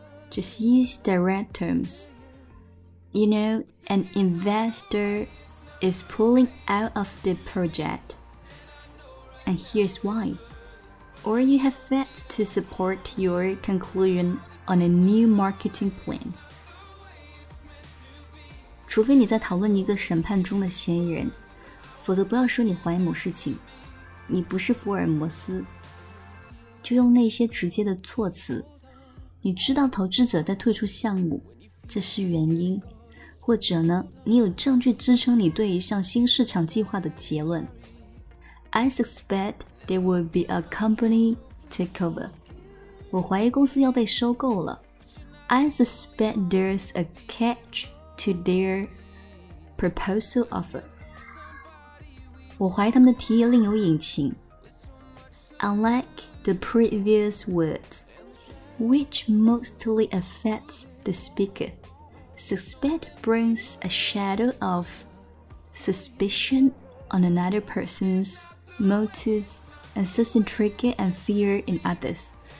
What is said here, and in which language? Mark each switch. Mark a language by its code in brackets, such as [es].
[en] Just use the right terms. You know, an investor is pulling out of the project. And here's why. Or you have facts to support your conclusion on a new marketing plan. [zh] 除非你在讨论一个审判中的嫌疑人，否则不要说你怀疑某事情。你不是福尔摩斯。就用那些直接的措辞，你知道投资者在退出项目，这是原因，或者呢，你有证据支撑你对一项新市场计划的结论。 [en] I suspect there will be a company takeover. [zh] 我怀疑公司要被收购了。 [en] I suspect there's a catch to their proposal offer. [zh] 我怀疑他们的提议另有隐情。 [en] Unlike the previous words, which mostly affects the speaker, suspect brings a shadow of suspicion on another person's motive and sets intrigue and fear in others.